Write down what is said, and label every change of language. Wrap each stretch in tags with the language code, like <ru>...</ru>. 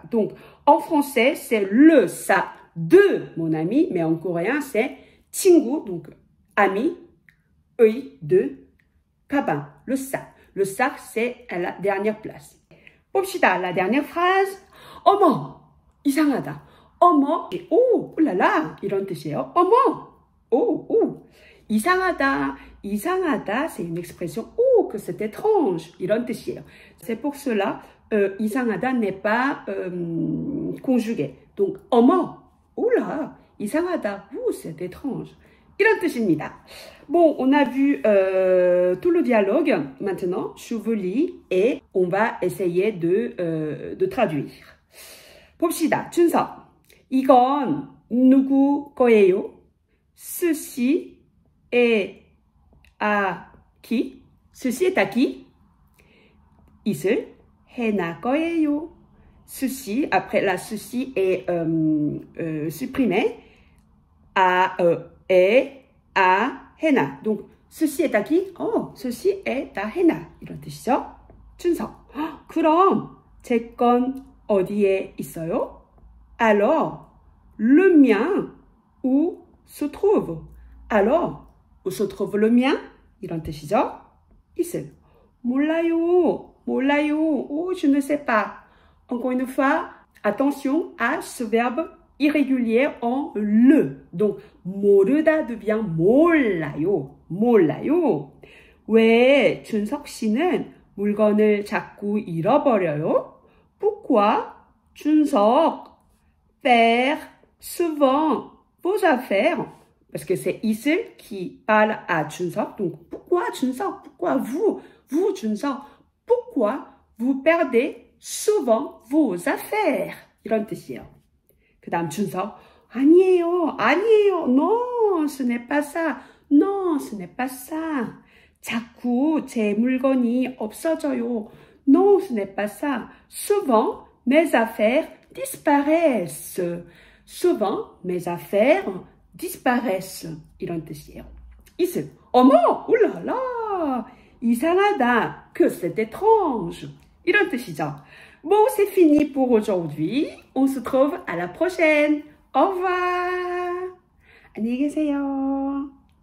<fr>Donc, en français, c'est le sac de mon ami, mais en coréen, c'est 친구, donc ami, 의 de 가방, le sac. Le sac, c'est à la dernière place.</fr> <ko>봅시다,</ko> <fr>la dernière phrase.</fr> <ko>어머, 이상하다. 어머, 오, 오라라, 이런 뜻이에요. 어머, 오, 오, 이상하다.</ko> <fr>이상하다, c'est une expression, oh, que c'est étrange,</fr> <ko>이런 뜻이에요.</ko> <fr>C'est pour cela, 이상하다 n'est pas conjugué. Donc,</fr> <ko>어머, 오라, 이상하다,</ko> <fr>oh, c'est étrange.</fr> <ko>이런 뜻입니다.</ko> <fr>Bon, on a vu tout le dialogue. Maintenant, je vous lis et on va essayer de traduire.</fr> <ko>봅시다. 준석, 이건 누구 거예요?</ko> <fr>Ceci est à qui? Ceci est à qui?</fr> <ko>이슬, 해나 거예요.</ko> <fr>Ceci, après là, ceci est supprimé. À, est à Hena. Donc, ceci est à qui? Oh, ceci est à Hena.</fr> <ko>이런 뜻이죠?</ko> <fr>준석.</fr> <ko>그럼, 제 건 어디에 있어요?</ko> <fr>Alors, le mien, où se trouve? Alors, où se trouve le mien?</fr> <ko>이런 뜻이죠? 있어요. 몰라요. 몰라요.</ko> <fr>Oh, je ne sais pas. Encore une fois, attention à ce verbe irrégulier en le. Donc, 모르다 devient 몰라요.</fr> <ko>몰라요. 왜 준석 씨는 물건을 자꾸 잃어버려요?</ko> <fr>Pourquoi 준석 perd souvent vos affaires? Parce que c'est 이슬 qui parle à 준석. Donc, pourquoi 준석? Pourquoi vous 준석? Pourquoi vous perdez souvent vos affaires?</fr> <ko>이런 뜻이에요. 그 다음 준석, 아니에요, 아니에요,</ko> <fr>non, ce n'est pas ça, non, ce n'est pas ça.</fr> <ko>자꾸 제 물건이 없어져요,</ko> <fr>non, ce n'est pas ça. Souvent, mes affaires disparaissent. Souvent, mes affaires disparaissent.</fr> <ko>이런 뜻이에요. 이슬, 어머, 오라라, 이상하다,</ko> <fr>que c'est étrange.</fr> <ko>이런 뜻이죠.</ko> <fr>Bon, c'est fini pour aujourd'hui. On se trouve à la prochaine. Au revoir.</fr> <ko>안녕히 계세요.</ko>